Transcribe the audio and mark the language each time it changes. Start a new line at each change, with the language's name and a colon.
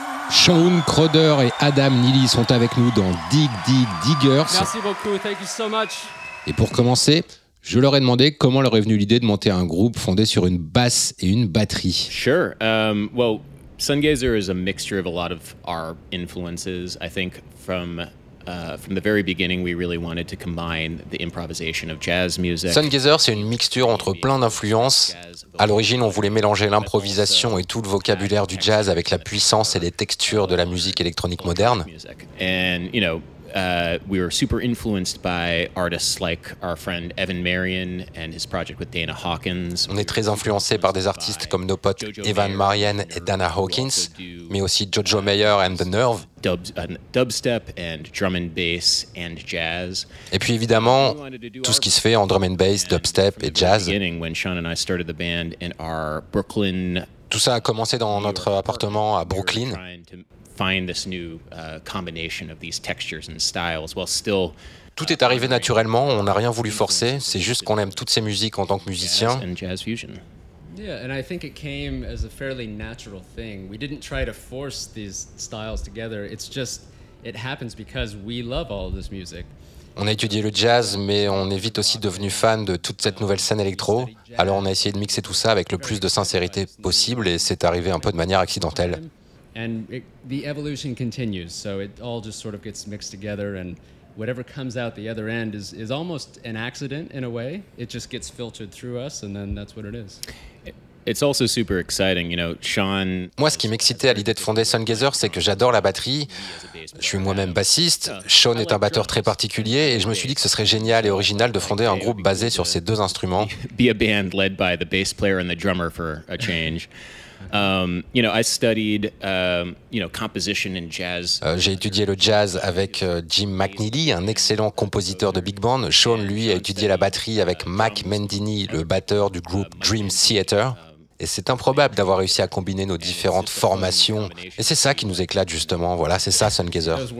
French: Sean Crowder et Adam Neely sont avec nous dans Dig Dig Diggers. Merci beaucoup,
English: thank you so much.
French: Et pour commencer, je leur ai demandé comment leur est venue l'idée de monter un groupe fondé sur une basse et une batterie.
English: Sure, well, Sungazer is a mixture of a lot of our influences. I think from the very beginning, we really wanted to combine the improvisation of jazz music.
French: Sungazer, c'est une mixture entre plein d'influences. À l'origine, on voulait mélanger l'improvisation et tout le vocabulaire du jazz avec la puissance et les textures de la musique électronique moderne.
English: And, you know, we were super influenced by artists like our friend Evan Marion and his project with Dana Hawkins.
French: On est très influencé par des artistes comme nos potes Evan Marion et Dana Hawkins, mais aussi Jojo Mayer and the Nerve.
English: Dubstep and drum and bass and jazz.
French: Et puis évidemment, tout ce qui se fait en drum and bass, dubstep et jazz.
English: When Sean and I started the band in our Brooklyn.
French: Tout ça a commencé dans notre appartement à Brooklyn.
English: Find this new combination of these textures and styles while still.
French: Tout est arrivé naturellement, on n'a rien voulu forcer, c'est juste qu'on aime toutes ces musiques en tant que musicien.
English: And jazz fusion. Yeah, and I think it came as a fairly natural thing. We didn't try to force these styles together. It's just it happens because we love all this music.
French: On a étudié le jazz, mais on est vite aussi devenu fan de toute cette nouvelle scène électro. Alors on a essayé de mixer tout ça avec le plus de sincérité possible et c'est arrivé un peu de manière accidentelle.
English: And the evolution continues, so it all just sort of gets mixed together, and whatever comes out the other end is almost an accident in a way. It just gets filtered through us, and then that's what it is. It's also super exciting, you know, Sean.
French: Moi, ce qui m'excitait à l'idée de fonder Sungazer, c'est que j'adore la batterie. Je suis moi-même bassiste. Sean est un batteur très particulier, et je me suis dit que ce serait génial et original de fonder un groupe basé sur ces deux instruments.
English: Be a band led by the bass player and the drummer for a change. You know, I studied, you know, composition and jazz.
French: J'ai étudié le jazz avec Jim McNeely, un excellent compositeur de big band. Sean, lui, a étudié la batterie avec Mac Mendini, le batteur du groupe Dream Theater. Et c'est improbable d'avoir réussi à combiner nos différentes formations. Et c'est ça qui nous éclate justement. Voilà, c'est ça, Sungazer.